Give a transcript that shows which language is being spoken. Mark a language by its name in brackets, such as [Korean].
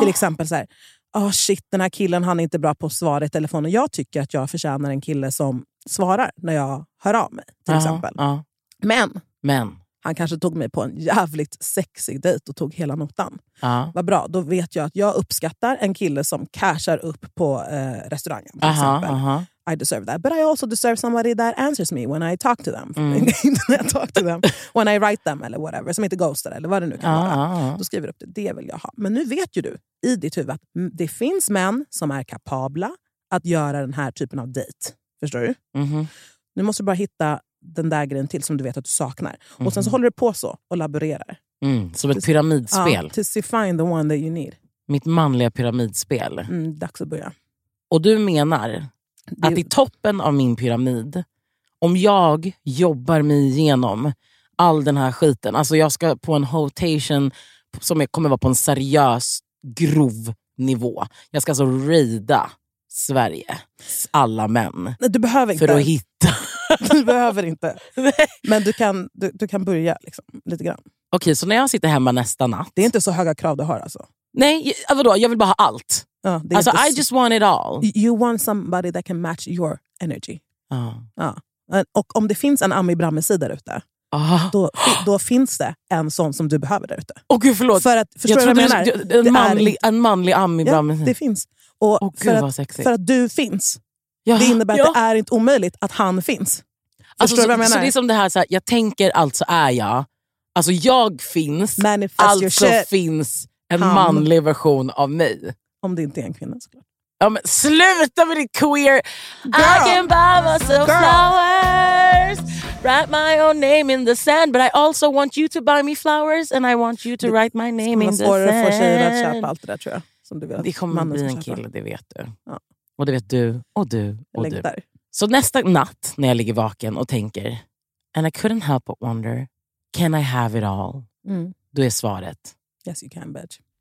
[Swedish] Till exempel så här, oh shit, den här killen, han är inte bra på att svara i telefon, och jag tycker att jag förtjänar en kille som svarar när jag hör av mig, till exempel. Ja. Men. Han kanske tog mig på en jävligt sexig dejt och tog hela notan. Uh-huh. Vad bra, då vet jag att jag uppskattar en kille som cashar upp på restaurangen. Till exempel. [English] I deserve that. But I also deserve somebody that answers me when I talk to them. [Swedish] Inte när jag [English] talk to them. When I write them [Swedish] eller [English] whatever. [Swedish] Som inte ghostar eller vad det nu kan vara. Då skriver du upp det. Det vill jag ha. Men nu vet ju du i ditt huvud att det finns män som är kapabla att göra den här typen av dejt. Förstår du? Mm-hmm. Nu måste du bara hitta den där grejen till som du vet att du saknar. Mm-hmm. Och sen så håller du på så och laborerar. Mm, som ett pyramidspel. Ja, [English] to find the one that you need. [Swedish] Mitt manliga pyramidspel. Mm, dags att börja. Och du menar att i toppen av min pyramid, om jag jobbar mig igenom all den här skiten, alltså jag ska på en hotation som kommer vara på en seriös grov nivå. Jag ska alltså raida Sverige, alla män. Du behöver inte. För att hitta. Du behöver inte. Men du kan börja liksom, lite grann. Okej, så när jag sitter hemma nästa natt. Det är inte så höga krav du har alltså. Nej, vadå? Jag vill bara ha allt. Ja, det är alltså, [English] I just want it all. You want somebody that can match your energy. Ah. [Swedish] Ja. Och om det finns en Ami Bramme-sid där ute. Ah. Då finns det en sån som du behöver där ute. Åh gud, förlåt. För att, förstår jag vad du menar? En manlig Ami Bramme-sid. Ja, det finns. Och oh, gud, vad sexy. För att du finns. Ja, det innebär att det är inte omöjligt att han finns. Förstår alltså, du vad jag menar? Så det är som det här, så här, jag tänker, alltså är jag. Alltså jag finns. Manifest, alltså finns en manlig version av mig. Om det inte är en kvinna, såklart. Ja, men sluta med det queer. [English] Girl. I can buy myself flowers. Write my own name in the sand. But I also want you to buy me flowers. And I want you to write my name in the sand. [Swedish] Det kommer svårare att få tjejer att köpa allt det där, tror jag. Som du vet. Det kommer man bli en kille, det vet du. Ja. Och det vet du, och du, och jag du. Där. Så nästa natt, när jag ligger vaken och tänker, [English] and I couldn't help but wonder, can I have it all? Mm. [Swedish] Då är svaret, [English] yes you can, bitch.